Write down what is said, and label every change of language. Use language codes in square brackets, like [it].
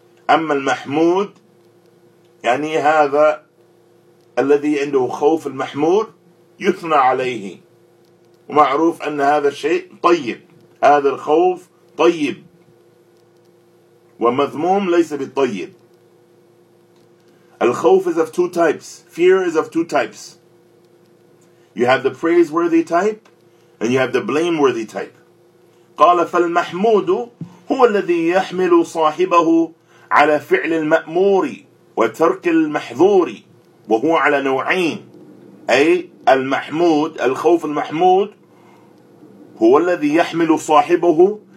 [ar] أما المحمود يعني هذا الذي عنده خوف المحمود يثنى عليه ومعروف أن هذا الشيء طيب هذا الخوف طيب ومذموم ليس بالطيب. [en] الخوف is of two types. Fear is of two types. You have the praiseworthy type and you have the blameworthy type. [ar] قال فالمحمود هو الذي يحمل صاحبه على فعل المأمور وترك المحظور وهو على نوعين. أي المحمود الخوف المحمود هو الذي يحمل صاحبه